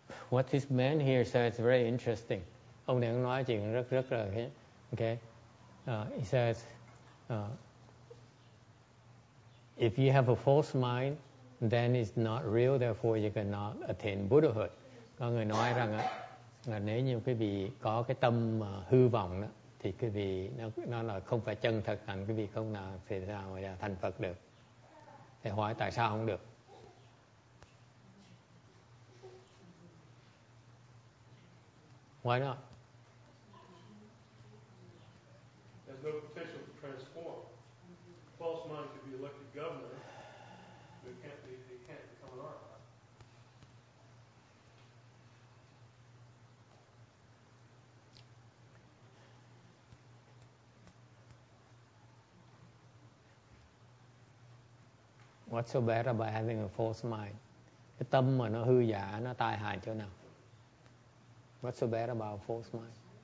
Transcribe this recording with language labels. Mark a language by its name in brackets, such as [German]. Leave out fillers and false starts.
[English] What this man here says is very interesting. [Vietnamese] Ông này nói chuyện rất rất là okay. [English] He says, if you have a false mind, then it's not real. Therefore, you cannot attain Buddhahood. [Vietnamese] Có người nói rằng là nếu như quý vị có cái tâm hư vọng đó, thì quý vị nó là không phải chân thật, thành quý vị không nào thể nào mà thành Phật được. Thì hỏi tại sao không được? [English] Why not? There's no potential to transform. False mind could be elected governor, but it can't be, it can't become an arahant. What's so bad about having a false mind? [Vietnamese] Cái tâm mà nó hư giả, nó tai hại chỗ nào? [English] What's so bad about a false mind?